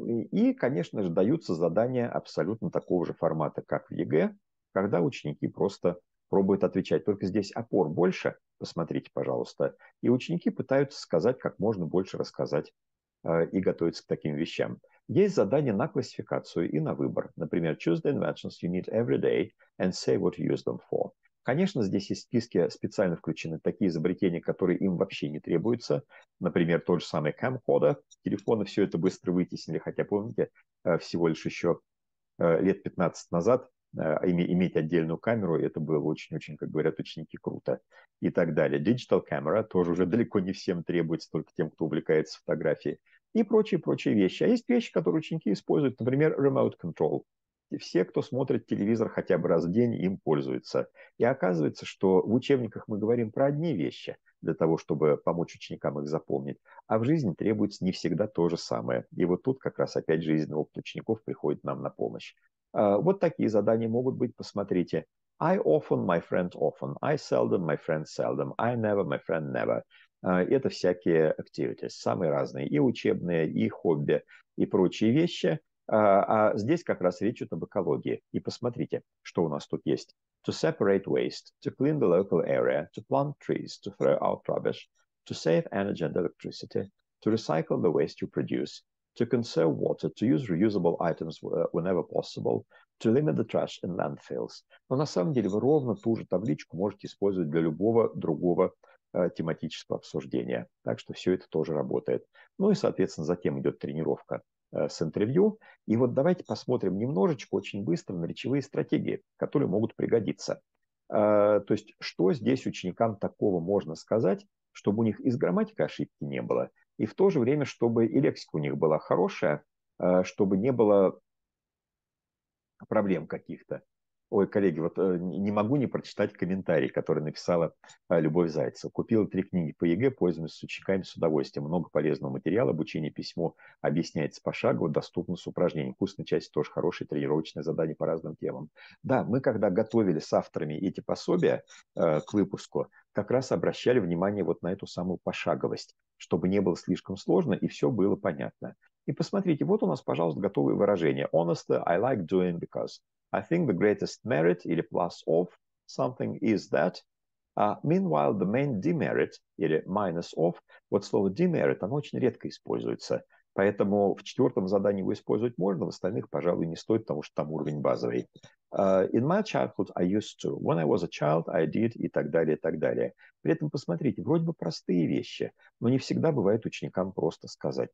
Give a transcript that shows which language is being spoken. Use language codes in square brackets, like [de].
[ru] И, конечно же, даются задания абсолютно такого же формата, как в ЕГЭ, когда ученики просто пробуют отвечать. Только здесь опор больше, посмотрите, пожалуйста, и ученики пытаются сказать, как можно больше рассказать и готовиться к таким вещам. Есть задания на классификацию и на выбор. Например, [en] choose the inventions you need every day and say what you use them for. [ru] Конечно, здесь есть в списке специально включены такие изобретения, которые им вообще не требуются. Например, тот же самый камкодер. Телефоны все это быстро вытеснили, хотя, помните, всего лишь еще лет 15 назад иметь отдельную камеру, это было очень-очень, как говорят ученики, круто. И так далее. Digital camera тоже уже далеко не всем требуется, только тем, кто увлекается фотографией. И прочие-прочие вещи. А есть вещи, которые ученики используют, например, remote control. Все, кто смотрит телевизор хотя бы раз в день, им пользуются. И оказывается, что в учебниках мы говорим про одни вещи для того, чтобы помочь ученикам их запомнить, а в жизни требуется не всегда то же самое. И вот тут как раз опять жизненный опыт учеников приходит нам на помощь. Вот такие задания могут быть, посмотрите. [en] I often, my friend often. I seldom, my friend seldom. I never, my friend never. [ru] Это всякие [en] activities, [ru] самые разные. И учебные, и хобби, и прочие вещи. А здесь как раз речь идет об экологии. И посмотрите, что у нас тут есть. [en] To separate waste, to clean the local area, to plant trees, to throw out rubbish, to save energy and electricity, to recycle the waste you produce, to conserve water, to use reusable items whenever possible, to limit the trash in landfills. [ru] Но на самом деле вы ровно ту же табличку можете использовать для любого другого тематического обсуждения. Так что все это тоже работает. Ну и, соответственно, затем идет тренировка с интервью. И вот давайте посмотрим немножечко, очень быстро, на речевые стратегии, которые могут пригодиться. То есть, что здесь ученикам такого можно сказать, чтобы у них из грамматики ошибки не было, и в то же время, чтобы и лексика у них была хорошая, чтобы не было проблем каких-то. Ой, коллеги, вот не могу не прочитать комментарий, который написала Любовь Зайцева. Купила 3 книги по ЕГЭ, пользуюсь с учениками с удовольствием. Много полезного материала, обучение письму объясняется пошагово, доступно с упражнением. Вкусная часть тоже хорошая, тренировочное задание по разным темам. Да, мы когда готовили с авторами эти пособия к выпуску, как раз обращали внимание вот на эту самую пошаговость, чтобы не было слишком сложно и все было понятно. И посмотрите, вот у нас, пожалуйста, готовые выражения. [en] Honestly, I like doing because. I think the greatest merit [ru] или [en] plus of something is that. Meanwhile, the main demerit [ru] или [en] minus of. [ru] Вот слово demerit, оно очень редко используется. Поэтому в 4-м задании его использовать можно, в остальных, пожалуй, не стоит, потому что там уровень базовый. [en] In my childhood I used to. When I was a child, I did [ru] и так далее, и так далее. При этом, посмотрите, вроде бы простые вещи, но не всегда бывает ученикам просто сказать.